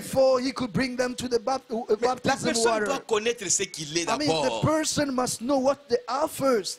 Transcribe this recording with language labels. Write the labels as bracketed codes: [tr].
[en] Before he could bring them to the baptism water. [fr] La personne doit connaître ce qu'il est d'abord. [en] I mean, the person must know what they are first.